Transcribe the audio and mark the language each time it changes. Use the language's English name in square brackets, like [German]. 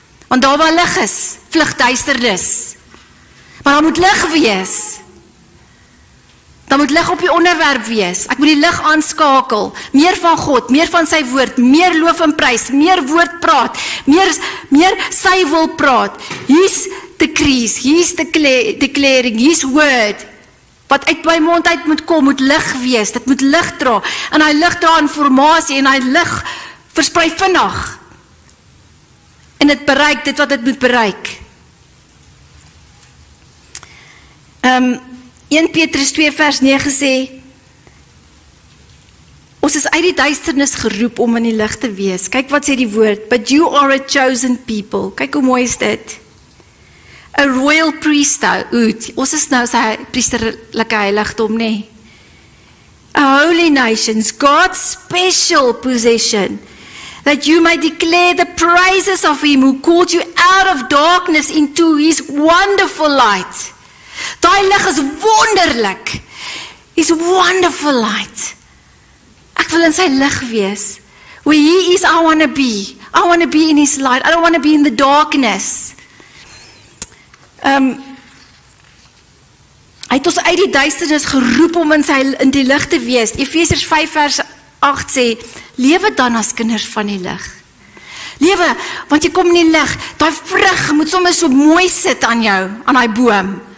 [Afrikaans] Want daar waar lig is, vlug duisternis. Maar daar moet lig wees. Daar moet lig op die onderwerp wees. Ek moet die lig aanskakel. Meer van God, meer van sy woord, meer loof en prys, meer woord praat, meer sy wil praat. [English] Hier's the crease, hier's the declaring, hier's word. [Afrikaans] Wat uit my mond uit moet kom, moet lig wees. Dit moet lig dra. En hy lig dra informasie en hy lig versprei vinnig. En dit bereik dit wat dit moet bereik. 1 Petrus 2 vers 9 sê, ons is uit die duisternis geroep om in die lig te wees. Kyk wat sê die woord, [English] but you are a chosen people. [Afrikaans] Kyk hoe mooi is dit. [English] A royal priesthood. [Afrikaans] Ons is nou sy priesterlike heiligdom, nee. [English] A holy nation, God's special possession, that you might declare the praises of him who called you out of darkness into his wonderful light. [Afrikaans] Die lig is wonderlik. [English] He's wonderful light. [Afrikaans] Ek wil in sy lig wees. [English] Where he is, I want to be. I want to be in his light. I don't want to be in the darkness. [Afrikaans] Hy het ons uit die duisternis geroep om in die lig te wees. Efesiërs 5 vers 8 sê, lewe dan as kinders van die lig. Lewe, want jy kom in die lig. Daai vrug moet sommer so mooi sit aan jou, aan daai boom.